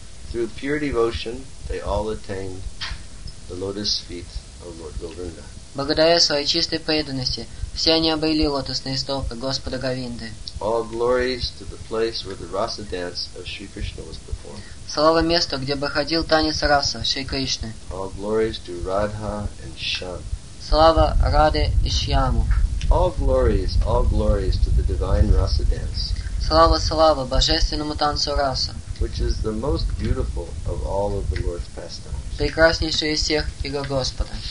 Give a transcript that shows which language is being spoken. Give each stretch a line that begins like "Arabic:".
English: Through pure devotion, they all attained the lotus feet of Lord Govinda.
Russian: Благодаря своей чистой преданности, все они обрели лотосные стопы Господа Говинды.
English: All glories to the place where the rasa dance of Sri Krishna was performed.
Russian: Слава месту, где проходил танец раса Шри Кришны.
English: All glories to Radha and Shyam.
Russian: Слава Раде и Шьяму.
English: All glories to the divine rasa dance.
Russian: Слава божественному танцу раса.
English: Which is the most beautiful of all of the Lord's pastimes.
Russian: Прекраснейший из всех игр Господа.